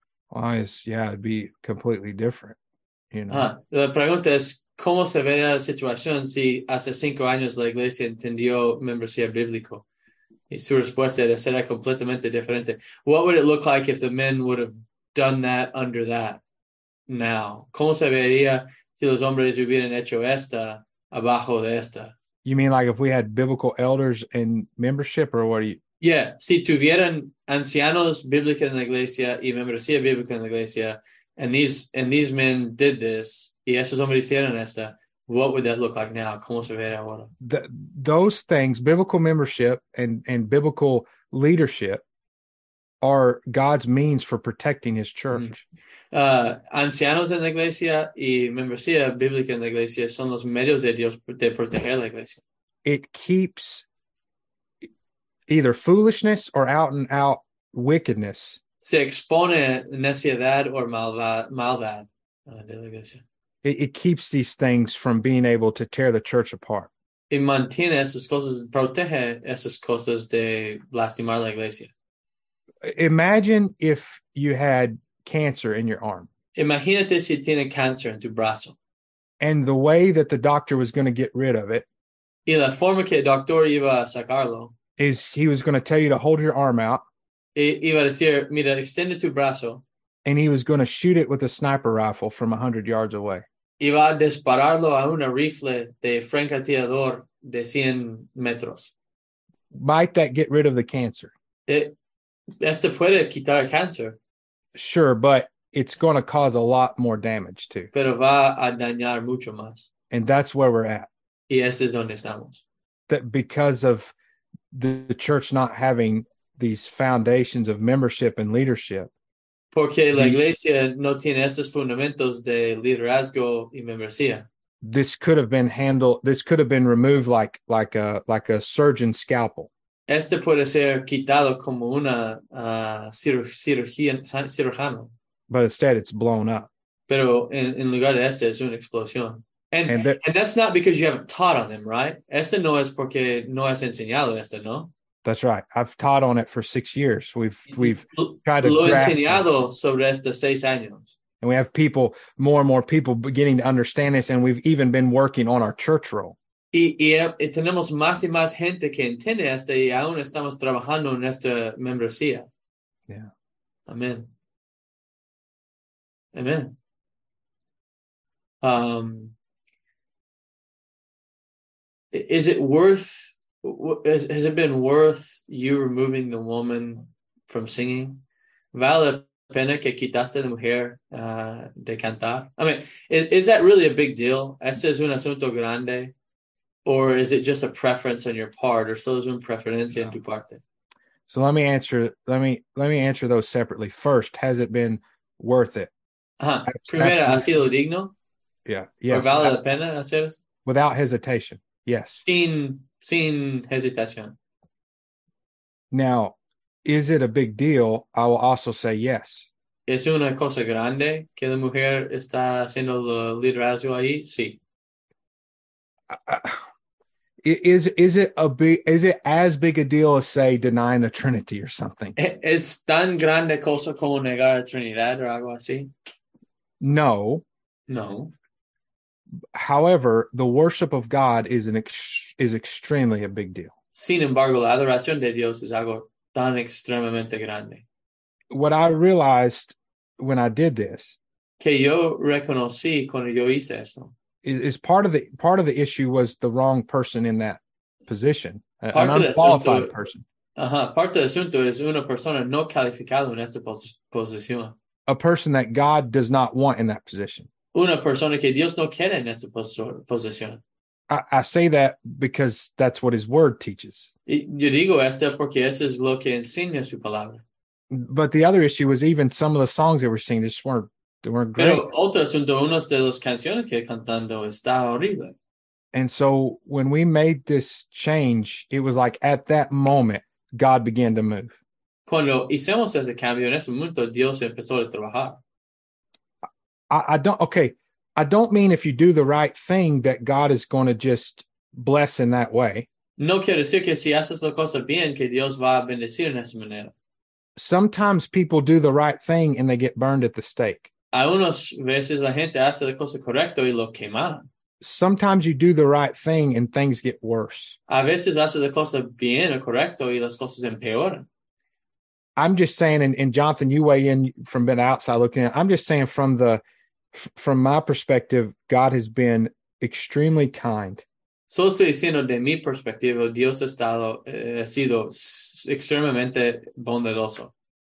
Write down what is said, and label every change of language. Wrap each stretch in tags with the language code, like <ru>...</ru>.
<en>Well, it'd be completely different, you know.</en> <es>La pregunta es, ¿cómo se vería la situación si hace 5 años la iglesia entendió membresía bíblico? Y su respuesta era completamente diferente.</es> <en>What would it look like if the men would have done that under that now?</en> <es>¿Cómo se vería si los hombres hubieran hecho esta abajo de esta?</es> <en>You mean like if we had biblical elders in membership, or what are you?</en> <es>Yeah, si tuvieran ancianos bíblicos en la iglesia y membresía bíblica en la iglesia,</es> <en>and these men did this,</en> <es>y esos hombres hicieron esta,</es> <en>what would that look like now?</en> <es>¿Cómo se vería ahora?</es> <en>Those things, biblical membership and biblical leadership, are God's means for protecting his church.</en> <es>Ancianos en la iglesia y membresía bíblica en la iglesia son los medios de Dios de proteger la iglesia.</es> <en>It keeps either foolishness or out and out wickedness.</en> <es>Se expone necedad o maldad de la iglesia.</es> <en>it keeps these things from being able to tear the church apart.</en> <es>Y mantiene esas cosas, protege esas cosas de lastimar la iglesia.</es> <en>Imagine if you had cancer in your arm.</en> <es>Imagínate si tiene cáncer en tu brazo.</es> <en>And the way that the doctor was going to get rid of it.</en> <es>Y la forma que el doctor iba a sacarlo.</es> <en>Is he was going to tell you to hold your arm out.</en> <es>Iba a decir, mira, extiende tu brazo.</es> <en>And he was going to shoot it with a sniper rifle from 100 yards away.</en> <es>Iba a dispararlo a una rifle de francotirador de 100 metros.</es> <en>Might that get rid of the cancer?</en> <es>Esto puede quitar el cáncer.</es> <en>Sure, but it's going to cause a lot more damage too.</en> <es>Pero va a dañar mucho más.</es> <en>And that's where we're at.</en> <es>Y ese es donde estamos.</es> <en>That because of the church not having these foundations of membership and leadership.</en> <es>Porque la iglesia no tiene esos fundamentos de liderazgo y membresía.</es> <en>This could have been handled. This could have been removed like a surgeon scalpel.</en> <es>Este puede ser quitado como una cirujano.</es> <en>But instead, it's blown up.</en> <es>Pero en lugar de este, es una explosión.</es> <en>And that's not because you haven't taught on them, right?</en> <es>Este no es porque no has enseñado este, ¿no?</es> <en>That's right. I've taught on it for 6 years. We've tried to</en> <es>lo enseñado sobre este 6 años.</es> <en>And we have people, more and more people beginning to understand this, and we've even been working on our church role.</en> <es>Y tenemos más y más gente que entiende este, y aún estamos trabajando en esta membresía.</es> <en>Yeah. Amen. Amen. Is it worth? Has it been worth you removing the woman from singing?</en> <es>¿Vale pena que quitaste la mujer de cantar?</es> <en>I mean, is that really a big deal?</en> <es>¿Ese es un asunto grande?</es> <en>Or is it just a preference on your part?</en> <es>¿Or solo es una preferencia en tu parte?</es> <en>So let me answer those separately. First, has it been worth it?</en> <es>Primero, ¿ha sido digno?</es> <en>Yeah. Yes.</en> <es>¿Or vale la pena hacer eso?</es> <en>Without hesitation. Yes.</en> <es>Sin hesitación.</es> <en>Now, is it a big deal? I will also say yes.</en> <es>¿Es una cosa grande que la mujer está haciendo el liderazgo ahí? Sí.</es> <en>Is it as big a deal as, say, denying the Trinity or something?</en> <es>¿Es tan grande cosa como negar la Trinidad o algo así?</es> <en>No.</en> <es>No.</es> <en>However, the worship of God is extremely a big deal.</en> <es>Sin embargo, la adoración de Dios es algo tan extremadamente grande.</es> <en>What I realized when I did this,</en> <es>que yo reconocí cuando yo hice esto,</es> <en>is part of the issue was the wrong person in that position, an unqualified asunto, person.</en> <es>Parte del asunto es una persona no calificada en esta posición.</es> <en>A person that God does not want in that position.</en> <es>Una persona que Dios no quiere en esa posición.</es> <en>I say that because that's what his word teaches.</en> <es>Yo digo esto porque eso es lo que enseña su palabra.</es> <en>But the other issue was even some of the songs they were singing just weren't great.</en> <es>Pero otro asunto, una de las canciones que cantando está horrible.</es> <en>And so when we made this change, it was like at that moment, God began to move.</en> <es>Cuando hicimos ese cambio, en ese momento Dios empezó a trabajar.</es> <en>I don't mean if you do the right thing that God is going to just bless in that way.</en> <es>No quiero decir que si haces la cosa bien, que Dios va a bendecir en esa manera.</es> <en>Sometimes people do the right thing and they get burned at the stake.</en> <es>Algunas veces la gente hace la cosa correcta y lo quemaron.</es> <en>Sometimes you do the right thing and things get worse.</en> <es>A veces haces la cosa bien o correcto y las cosas empeoran.</es> <en>I'm just saying, and Jonathan, you weigh in from the outside looking at it. I'm just saying from my perspective, God has been extremely kind.</en> <es>So estoy diciendo de mi perspectiva, Dios ha sido extremadamente bondadoso.</es>